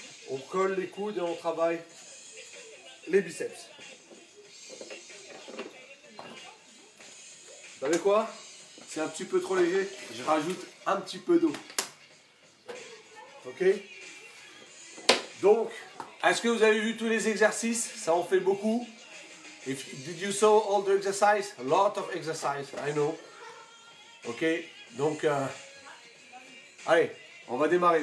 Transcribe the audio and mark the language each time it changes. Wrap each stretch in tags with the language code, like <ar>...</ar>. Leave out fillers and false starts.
<fr>On colle les coudes et on travaille les biceps. Vous savez quoi? C'est un petit peu trop léger. Je rajoute un petit peu d'eau. Ok? Donc, est-ce que vous avez vu tous les exercices? Ça en fait beaucoup.</fr> <en>Did you saw all the exercises? A lot of exercises, I know. Ok?</en> <fr>Donc, allez, on va démarrer.</fr>